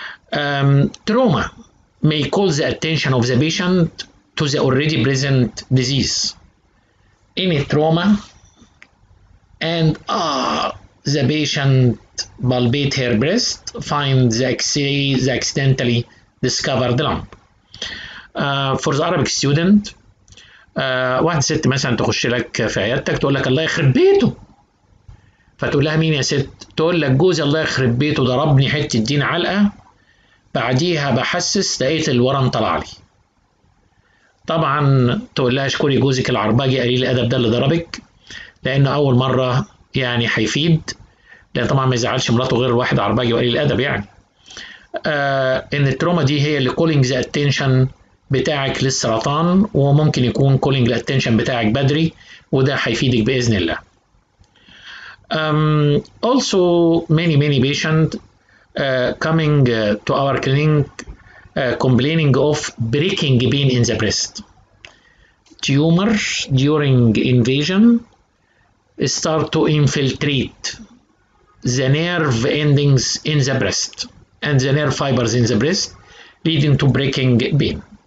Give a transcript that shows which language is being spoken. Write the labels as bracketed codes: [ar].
[en] Trauma may call the attention of the patient to the already present disease. Any trauma, and the patient palpate her breast, find the accidentally discovered lump. For the Arabic student, [ar] واحد ست مثلا تخش لك في عيادتك تقول لك الله يخرب بيته، فتقول لها مين يا ست؟ تقول لك جوزي الله يخرب بيته ضربني حته الدين علقه، بعديها بحسس لقيت الورم طلع لي. طبعا تقول لها اشكري جوزك العرباجي قليل الادب ده اللي ضربك، لانه اول مره يعني هيفيد، لان طبعا ما يزعلش مراته غير واحد عرباجي وقليل الادب يعني. ان التروما دي هي اللي [en] calling the attention [ar] بتاعك للسرطان، وممكن يكون كولينج الاتنشن بتاعك بدري، وده هيفيدك باذن الله. [en] Also many patients coming to our clinic complaining of breaking pain in the breast. Tumor during invasion start to infiltrate the nerve endings in the breast and the nerve fibers in the breast, leading to breaking pain.